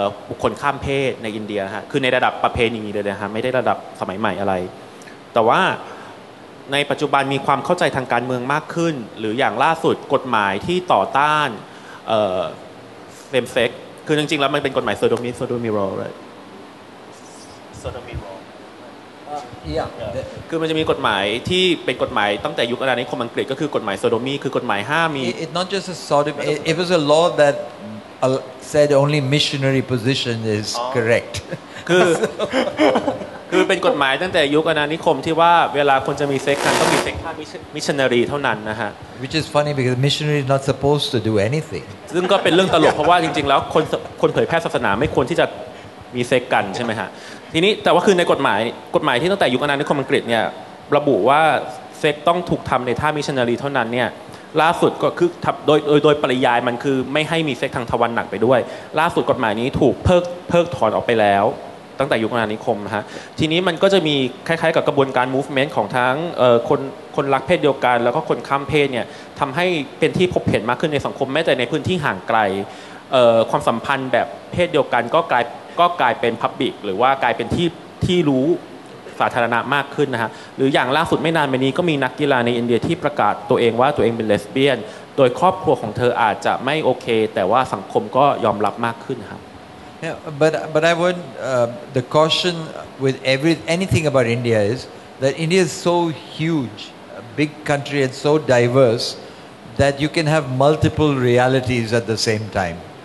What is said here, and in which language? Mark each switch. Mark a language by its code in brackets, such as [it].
[th] บุคคลข้ามเพศในอินเดียฮะคือในระดับประเพณีเลยนะฮะไม่ได้ระดับสมัยใหม่อะไรแต่ว่าในปัจจุบันมีความเข้าใจทางการเมืองมากขึ้นหรืออย่างล่าสุดกฎหมายที่ต่อต้านsame-sexคือจริงๆแล้วมันเป็นกฎหมายโซโดมิโร [en] right [th] โซโดมิโร คือมันจะมีกฎหมายที่เป็นกฎหมายตั้งแต่ยุคอาณานิคมอังกฤษก็คือกฎหมายโซโดมีคือกฎหมายห้ามมี [en] it not just a sodom it was a law that said only missionary position is correct [th] คือเป็นกฎหมายตั้งแต่ยุคอาณานิคมที่ว่าเวลาคนจะมีเซ็กซ์ต้องมีเซ็กซ์ห้ามมิชชันนารีเท่านั้นนะฮะ [en] which is funny because missionary is not supposed to do anything [th] ซึ่งก็เป็นเรื่องตลกเพราะว่าจริงๆแล้วคนเผยแพร่ศาสนาไม่ควรที่จะมีเซ็กซ์กันใช่ไหมฮะทีนี้แต่ว่าคือในกฎหมายที่ตั้งแต่ยุคอาณานิคมอังกฤษเนี่ยระบุว่าเซ็กซ์ต้องถูกทำในท่ามิชชันนารีเท่านั้นเนี่ยล่าสุดก็คือ โดยปริยายมันคือไม่ให้มีเซ็กซ์ทางทวารหนักไปด้วยล่าสุดกฎหมายนี้ถูกเพิกถอนออกไปแล้วตั้งแต่ยุคอาณานิคมนะฮะทีนี้มันก็จะมีคล้ายๆกับกระบวนการ movement ของทั้งคนรักเพศเดียวกันแล้วก็คนข้ามเพศเนี่ยทำให้เป็นที่พบเห็นมากขึ้นในสังคมแม้แต่ในพื้นที่ห่างไกล ความสัมพันธ์แบบเพศเดียวกันก็กลายเป็น public หรือว่ากลายเป็นที่รู้สาธารณะมากขึ้นนะฮะหรืออย่างล่าสุดไม่นานมานี้ก็มีนักกีฬาในอินเดียที่ประกาศตัวเองว่าตัวเองเป็นเลสเบี้ยนโดยครอบครัวของเธออาจจะไม่โอเคแต่ว่าสังคมก็ยอมรับมากขึ้นครับ [en] Yeah, but I would the caution with anything about India is that India is so huge, a big country and so diverse that you can have multiple realities at the same time.